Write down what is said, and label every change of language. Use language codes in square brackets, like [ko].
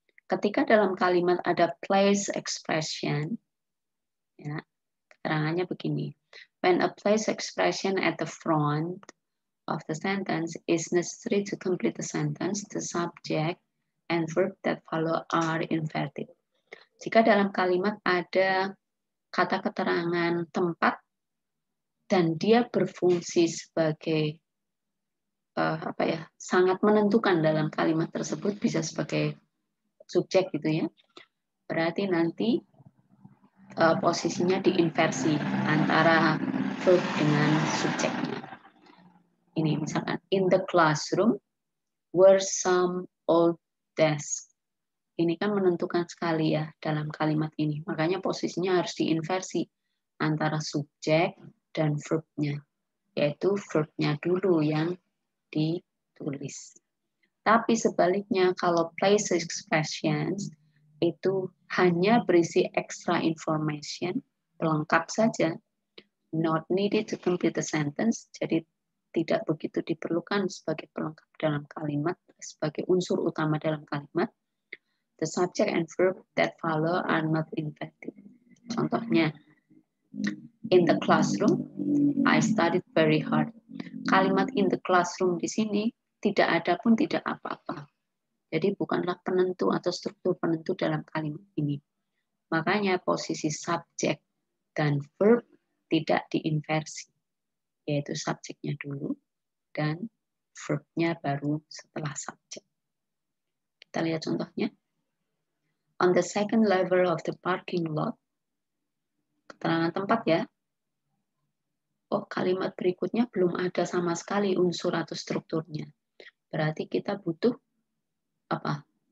[id] Ketika dalam kalimat ada place expression, ya, keterangannya begini. [en] When a place expression at the front of the sentence is necessary to complete the sentence, the subject and verb that follow are inverted. [id] Jika dalam kalimat ada kata keterangan tempat dan dia berfungsi sebagai sangat menentukan dalam kalimat tersebut, bisa sebagai subjek gitu ya. Berarti nanti posisinya diinversi antara verb dengan subjeknya. [en] Ini misalkan in the classroom were some old desks. [id] Ini kan menentukan sekali ya dalam kalimat ini. Makanya posisinya harus diinversi antara subjek dan verbnya. Yaitu verbnya dulu yang ditulis. Tapi sebaliknya, kalau place expressions itu hanya berisi extra information, pelengkap saja, not needed to complete the sentence, jadi tidak begitu diperlukan sebagai pelengkap dalam kalimat, sebagai unsur utama dalam kalimat, the subject and verb that follow are not inverted. [en] Contohnya, in the classroom, I studied very hard. [id] Kalimat in the classroom di sini, tidak ada pun tidak apa-apa. Jadi bukanlah penentu atau struktur penentu dalam kalimat ini. Makanya posisi subjek dan verb tidak diinversi. Yaitu subjeknya dulu dan verbnya baru setelah subjek. Kita lihat contohnya. [en] On the second level of the parking lot. [id] Keterangan tempat ya. Oh, kalimat berikutnya belum ada sama sekali unsur atau strukturnya. Berarti kita butuh apa?